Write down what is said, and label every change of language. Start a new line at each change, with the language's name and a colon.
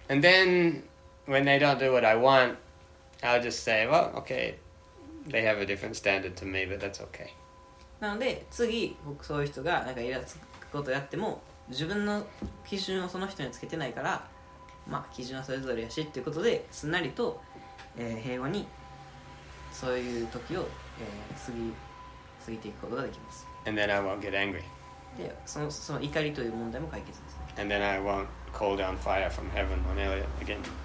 English: And then, when they don't do what I want, I'll just say, well, okay, they have a different standard to me, but that's okay.
Japanese: なので、次、そういう人がなんかイラつくことやっても、自分の基準をその人につけてないから、まあ、基準はそれぞれやしっていうことで、すんなりと、平和に、そういう時を、過ぎていくことができます。
English: And then I won't get angry.
Japanese: で、その怒りという問題も解決ですね。
English: And then I won't call down fire from heaven on Elliot again.